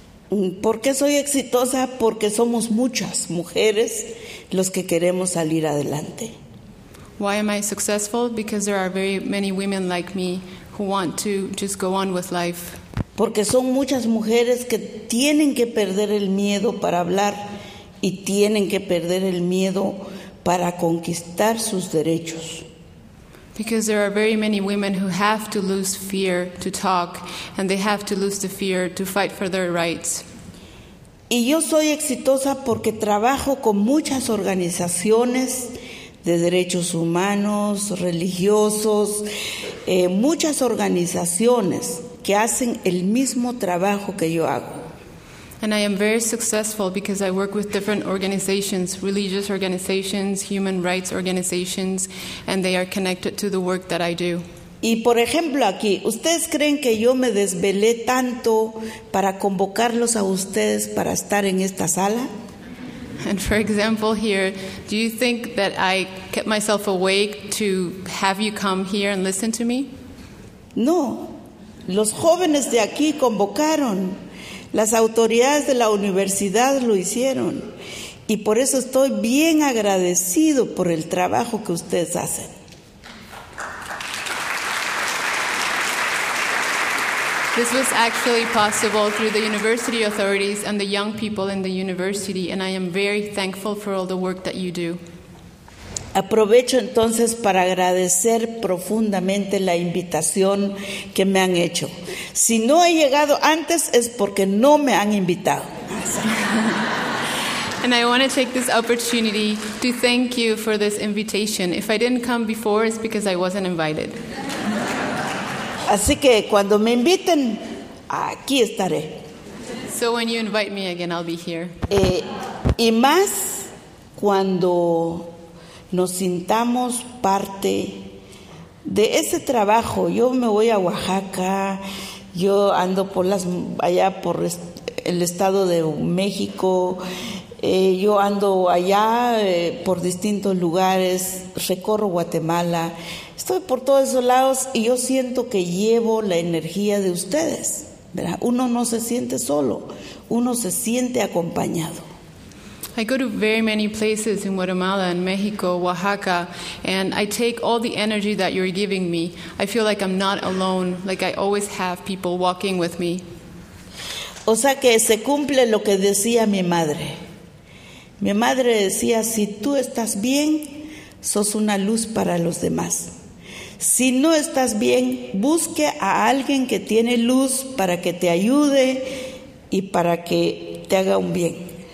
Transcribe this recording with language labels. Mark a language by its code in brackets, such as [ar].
[es] ¿Por qué soy exitosa? Porque somos muchas mujeres los que queremos salir adelante. [en] Why am I successful? Because there are very many women like me who want to just go on with life. [es] Porque son muchas mujeres que tienen que perder el miedo para hablar y tienen que perder el miedo para conquistar sus derechos. [en] Because there are very many women who have to lose fear to talk, and they have to lose the fear to fight for their rights. [es] Y yo soy exitosa porque trabajo con muchas organizaciones de derechos humanos, religiosos, muchas organizaciones que hacen el mismo trabajo que yo hago. [en] And I am very successful because I work with different organizations, religious organizations, human rights organizations, and they are connected to the work that I do. [es] Y por ejemplo aquí, ¿ustedes creen que yo me desvelé tanto para convocarlos a ustedes para estar en esta sala? [en] And for example here, do you think that I kept myself awake to have you come here and listen to me? [es] No. Los jóvenes de aquí convocaron. Las autoridades de la universidad lo hicieron. Y por eso estoy bien agradecido por el trabajo que ustedes hacen. [en] This was actually possible through the university authorities and the young people in the university, and I am very thankful for all the work that you do. [es] Aprovecho entonces para agradecer profundamente la invitación que me han hecho. Si no he llegado antes es porque no me han invitado. [en] And I want to take this opportunity to thank you for this invitation. If I didn't come before, it's because I wasn't invited. [es] Así que cuando me inviten, aquí estaré. [en] So when you invite me again, I'll be here. [es] Y más cuando nos sintamos parte de ese trabajo. Yo me voy a Oaxaca, yo ando por las allá por el estado de México, yo ando allá por distintos lugares, recorro Guatemala, estoy por todos esos lados y yo siento que llevo la energía de ustedes, ¿verdad? Uno no se siente solo, uno se siente acompañado. [en] I go to very many places in Guatemala and Mexico, Oaxaca, and I take all the energy that you're giving me. I feel like I'm not alone, like I always have people walking with me. [es] O sea que se cumple lo que decía mi madre. Mi madre decía, si tú estás bien, sos una luz para los demás. Si no estás bien, busque a alguien que tiene luz para que te ayude y para que te haga un bien.